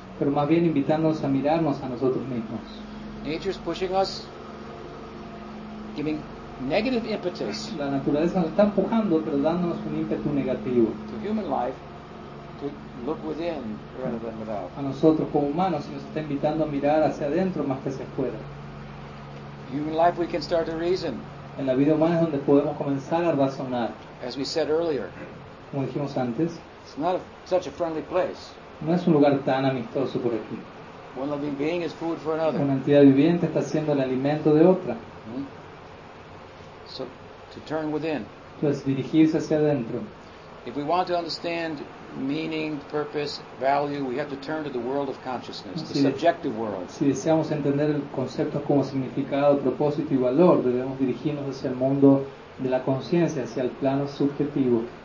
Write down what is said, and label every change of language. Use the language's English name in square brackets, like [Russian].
[Spanish] Pero más bien invitándonos a mirarnos a nosotros mismos. [English] Nature's pushing us, giving negative impetus. [Spanish] La naturaleza nos está empujando, pero dándonos un ímpetu negativo. [English] To human life, to look within rather than without. [Spanish] A nosotros como humanos, nos está invitando a mirar hacia adentro más que hacia afuera. [English] Human life, we can start to reason. [Spanish] En la vida humana es donde podemos comenzar a razonar. [English] As we said earlier. [Spanish] Como dijimos antes. [English] It's not such a friendly place. [Spanish] No es un lugar tan amistoso por aquí. [English] One living being is food for another. [Spanish] Una entidad viviente está siendo el alimento de otra. [English] So, to turn within. [Spanish] Entonces, dirigirse hacia adentro. [English] If we want to understand meaning, purpose, value, we have to turn to the world of consciousness, the subjective world. [Spanish] Si deseamos entender conceptos como significado, propósito y valor, debemos dirigirnos hacia el mundo de la conciencia, hacia el plano subjetivo.